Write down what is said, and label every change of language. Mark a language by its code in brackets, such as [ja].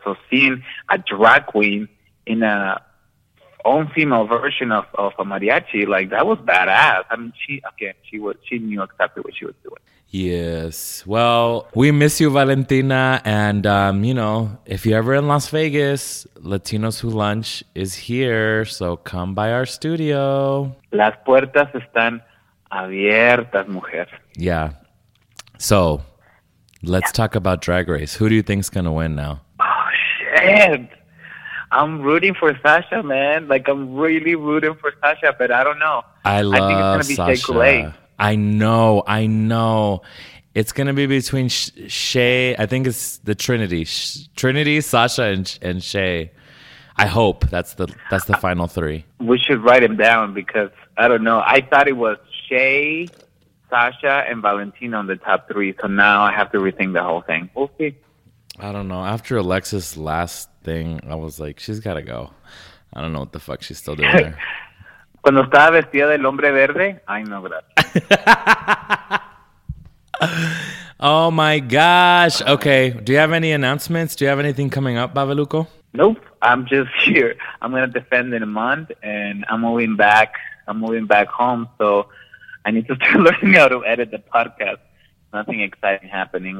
[en] So seeing a drag queen in a own female version of a mariachi, like, that was badass. I mean, she knew exactly what she was doing. Yes. Well, we miss you, Valentina. And, you know, if you're ever in Las Vegas, Latinos Who Lunch is here. So come by our studio. [es] Las puertas están abiertas, mujer. [en] Yeah. So let's talk about Drag Race. Who do you think's going to win now? Oh, shit. I'm rooting for Sasha, man. Like, I'm really rooting for Sasha, but I don't know. I love Sasha. I think it's going to be Sasha. I know. It's going to be between Shay. I think it's the Trinity. Trinity, Sasha, and Shay. I hope that's the final three. We should write them down, because I don't know. I thought it was Shay, Sasha, and Valentina on the top three. So now I have to rethink the whole thing. We'll see. I don't know. After Alexis' last thing, I was like, she's got to go. I don't know what the fuck she's still doing there. [es] Cuando estaba vestida del hombre verde, ay, no, gracias. [en] Oh, my gosh. Okay, do you have any announcements? Do you have anything coming up, Babaluco? Nope, I'm just here. I'm going to defend in a month, and I'm moving back home, so I need to start learning how to edit the podcast. Nothing exciting happening.